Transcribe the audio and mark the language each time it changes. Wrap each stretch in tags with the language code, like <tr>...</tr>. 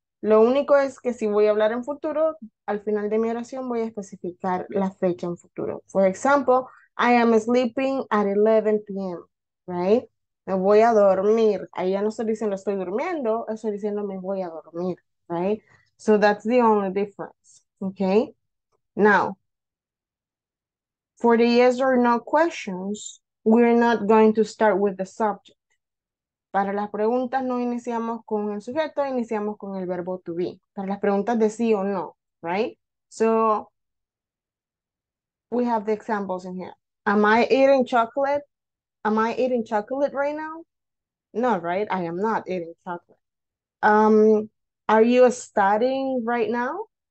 <es>Lo único es que si voy a hablar en futuro, al final de mi oración voy a especificar la fecha en futuro.</es> <en>For example, I am sleeping at 11 p.m., right?</en> <es>Me voy a dormir. Ahí ya no estoy diciendo estoy durmiendo, estoy diciendo me voy a dormir, right?</es> <en>So that's the only difference, okay? Now, for the yes or no questions, we're not going to start with the subject.</en> <es>Para las preguntas no iniciamos con el sujeto, iniciamos con el verbo to be. Para las preguntas de sí o no, right?</es> <en>So, we have the examples in here. Am I eating chocolate? Am I eating chocolate right now? No, right? I am not eating chocolate. Are you studying right now?</en>